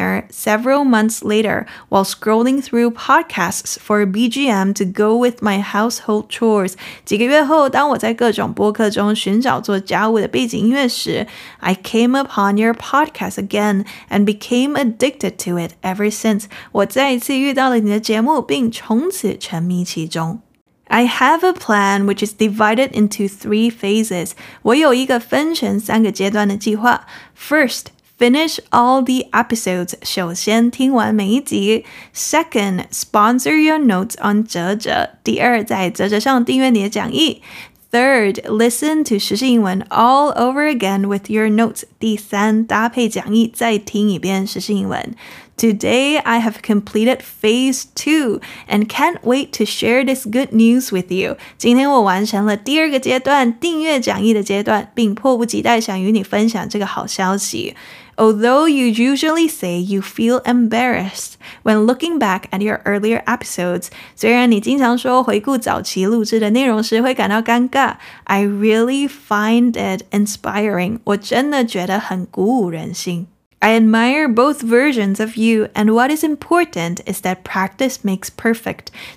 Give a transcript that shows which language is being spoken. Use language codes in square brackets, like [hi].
[en] several months later while scrolling through podcasts for a BGM to go with my household chores [zh] 几个月后当我在各种播客中寻找做家务的背景音乐时 [en] I came upon your podcast again and became addicted to it ever since. [zh] 我再一次遇到了你的节目并从此沉迷其中。 [en] I have a plan which is divided into three phases. [zh] 我有一个分成三个阶段的计划。 [en] First,Finish all the episodes, [zh] 首先听完每一集。 [en] Second, sponsor your notes on [zh] 哲哲。第二，在哲哲上订阅你的讲义。 [en] Third, listen to 实时英文 all over again with your notes. [zh] 第三，搭配讲义再听一遍实时英文。 [en] Today, I have completed phase 2 and can't wait to share this good news with you. [zh] 今天我完成了第二个阶段，订阅讲义的阶段，并迫不及待想与你分享这个好消息。 [en] Although you usually say you feel embarrassed when looking back at your earlier episodes, [zh] 虽然你经常说回顾早期录制的内容时会感到尴尬, [en] I really find it inspiring. [zh] 我真的觉得很鼓舞人心。 [en] I admire both versions of you, and what is important is that practice makes perfect.